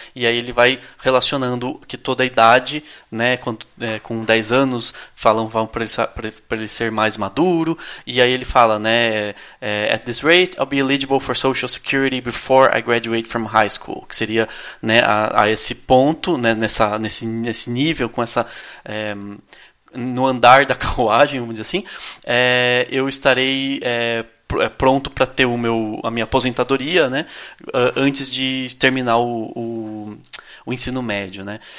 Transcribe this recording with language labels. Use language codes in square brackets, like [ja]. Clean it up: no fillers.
[pt] E aí ele vai relacionando que toda a idade, né, com 10 anos, falam vão para ele ser mais maduro. E aí ele fala, né, [en] at this rate, I'll be eligible for Social Security before I graduate from high school. [pt] Que seria, né, a esse ponto, né, nesse nível, com essa no andar da carruagem, vamos dizer assim, eu estarei pronto para ter a minha aposentadoria, né, antes de terminar o ensino médio, né?